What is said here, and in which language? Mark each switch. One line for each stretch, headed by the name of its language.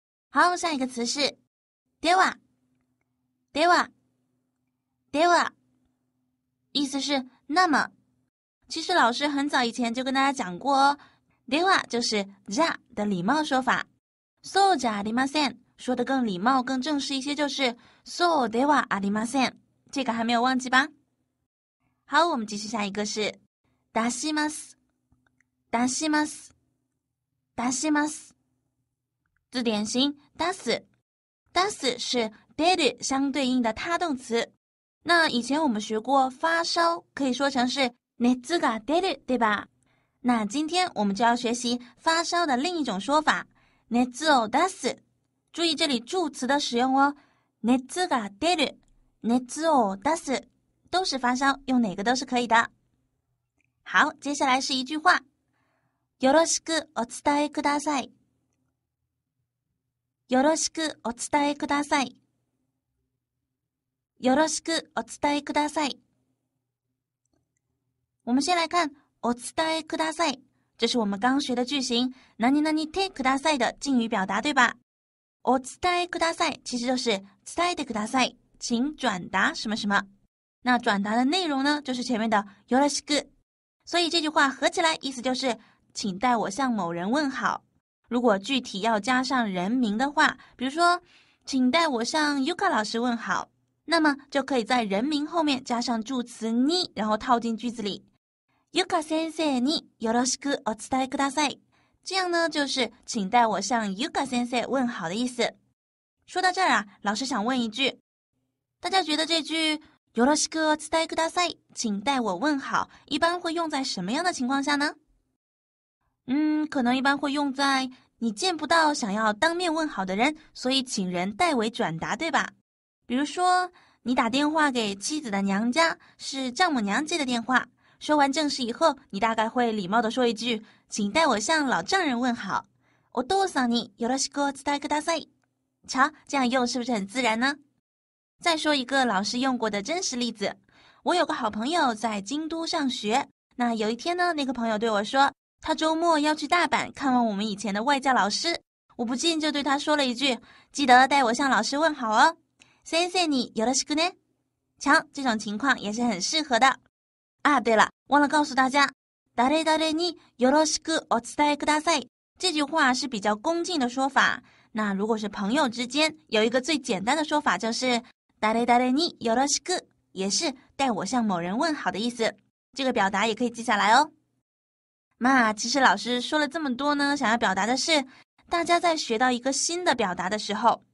Chinese: 好，下一个词是では。
Japanese: では
Chinese: では意思是那么。其实老师很早以前就跟大家讲过哦，では就是じゃ的礼貌说法。
Japanese: そうじゃありません。
Chinese: 说得更礼貌更正式一些就是
Japanese: そうではありません。
Chinese: 这个还没有忘记吧。好，我们继续下一个是
Japanese: 出します。出します。出します。
Chinese: 字典型出す。出す是出る相对应的他动词。那以前我们学过发烧可以说成是
Japanese: 熱が出る
Chinese: 对吧。那今天我们就要学习发烧的另一种说法，
Japanese: 熱を出す。
Chinese: 注意这里助词的使用哦，
Japanese: 熱が出る、熱を出す，
Chinese: 都是发烧，用哪个都是可以的。好，接下来是一句话，
Japanese: よろしくお伝えください。よろしくお伝えください。よろしくお伝えください。
Chinese: 我们先来看。
Japanese: お伝えください。
Chinese: 这是我们刚学的句型何々てください的敬语表达对吧。
Japanese: お伝えください
Chinese: 其实就是
Japanese: 伝えてください。
Chinese: 请转达什么什么。那转达的内容呢就是前面的よろしく。所以这句话合起来意思就是请代我向某人问好。如果具体要加上人名的话，比如说请代我向 Yuka 老师问好。那么就可以在人名后面加上助词に，然后套进句子里。
Japanese: ゆか先生によろしくお伝えください。
Chinese: 这样呢就是请代我向ゆか先生问好的意思。说到这儿啊，老师想问一句。大家觉得这句
Japanese: よろしくお伝えください
Chinese: 请代我问好一般会用在什么样的情况下呢？可能一般会用在你见不到想要当面问好的人，所以请人代为转达对吧。比如说你打电话给妻子的娘家，是丈母娘接的电话。说完正事以后，你大概会礼貌地说一句，请代我向老丈人问好。
Japanese: お父さんによろしくお伝えください。
Chinese: 瞧，这样用是不是很自然呢？再说一个老师用过的真实例子。我有个好朋友在京都上学。那有一天呢，那个朋友对我说，他周末要去大阪看望我们以前的外教老师。我不禁就对他说了一句，记得代我向老师问好哦。
Japanese: 先生によろしくね。
Chinese: 瞧，这种情况也是很适合的。啊，对了，忘了告诉大家，
Japanese: 誰誰によろしくお伝えください。
Chinese: 这句话是比较恭敬的说法。那如果是朋友之间，有一个最简单的说法就是
Japanese: 誰誰によろしく，
Chinese: 也是代我向某人问好的意思。这个表达也可以记下来哦。那其实老师说了这么多呢，想要表达的是，大家在学到一个新的表达的时候，